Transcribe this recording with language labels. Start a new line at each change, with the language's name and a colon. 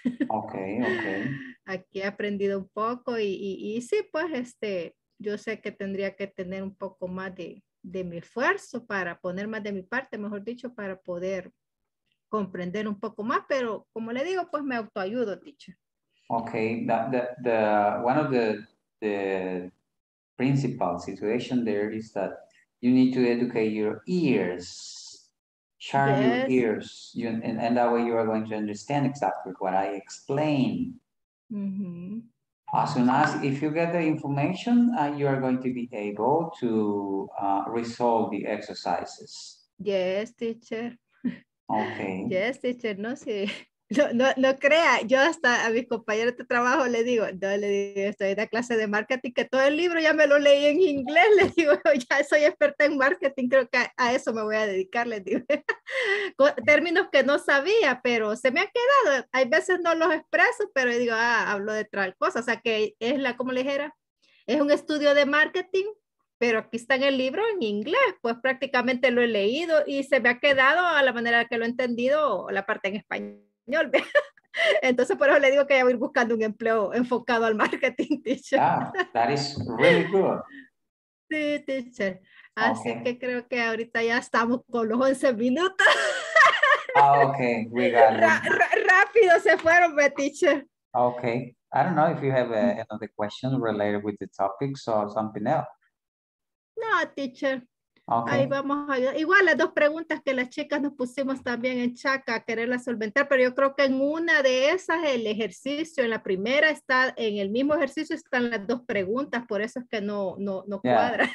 English: Ok, ok.
Spanish: Aquí he aprendido un poco y sí, pues, yo sé que tendría que tener un poco más de mi esfuerzo para poner más de mi parte, mejor dicho, para poder comprender un poco más. Pero, como le digo, pues, me autoayudo, teacher.
English: Okay, the one of the principal situation there is that you need to educate your ears, charm your ears, and that way you are going to understand exactly what I explain. Mm-hmm. As soon as if you get the information, you are going to be able to resolve the exercises. Yes, teacher. Okay. Yes, teacher.
Spanish: No, sí. No crea, yo hasta a mis compañeros de trabajo le digo, no, le digo, estoy en la clase de marketing, que todo el libro ya me lo leí en inglés, le digo, ya soy experta en marketing, creo que a eso me voy a dedicar, le digo, con términos que no sabía, pero se me han quedado, hay veces no los expreso, pero digo, ah, hablo de tal cosa, o sea que es la, como le dijera, es un estudio de marketing, pero aquí está en el libro en inglés, pues prácticamente lo he leído y se me ha quedado a la manera que lo he entendido la parte en español. Entonces por eso le digo que ya voy buscando un empleo enfocado al marketing, teacher.
English: Yeah, that is really good.
Spanish: Sí, teacher. Así okay. Que creo que ahorita ya estamos con los 11 minutos.
English: Oh, okay, we got it.
Spanish: Rápido se fueron, teacher.
English: Okay, I don't know if you have another question related with the topics or something else.
Spanish: No, teacher.
English: Okay.
Spanish: Ahí vamos a ayudar. Igual las dos preguntas que las chicas nos pusimos también en chat a quererlas solventar, pero yo creo que en una de esas el ejercicio, en la primera está, en el mismo ejercicio están las dos preguntas, por eso es que no cuadra.